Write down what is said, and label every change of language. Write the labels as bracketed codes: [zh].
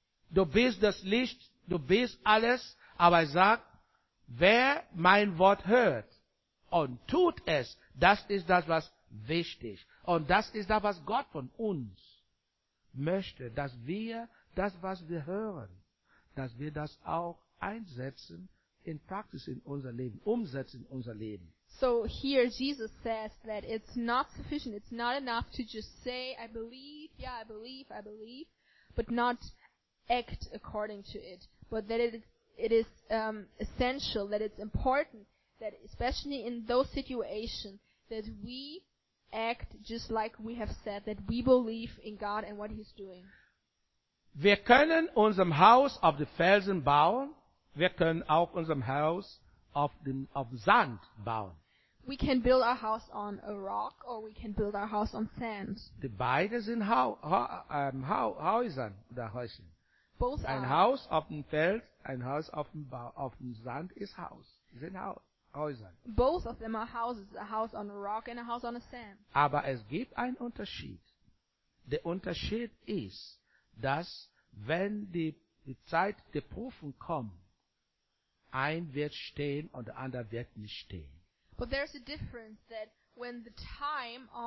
[de] Du bist das Licht, du bist alles, aber er sagt, wer mein Wort hört und tut es, das ist das, was wichtig. Und das ist das, was Gott von uns möchte, dass wir das, was wir hören, dass wir das auch einsetzen in Praxis in unser Leben, umsetzen in unser Leben. [en] So here Jesus says that it's not sufficient, it's not enough to just say, I believe, yeah, I believe, but not act according to it, but that it is essential, that it's important, that especially in those situations, that we act just like we have said, that we believe in God and what He's doing. [de] Wir können unserem Haus auf den Felsen bauen, wir können auch unserem Haus auf Sand bauen. [en] We can build our house on a rock or we can build our house on sand. [de] Die beide sind Häusern oder Häuschen. [en] Both [de] ein [en] are. [de] Haus auf dem Feld, ein Haus auf dem Sand ist Haus. Sind Häuser. [en] Both of them are houses, a house on a rock and a house on a sand. [de] Aber es gibt einen Unterschied. Der Unterschied ist, dass wenn die Zeit der Prüfung kommt, ein wird stehen und der andere wird nicht stehen. [en] But there's a difference that when the time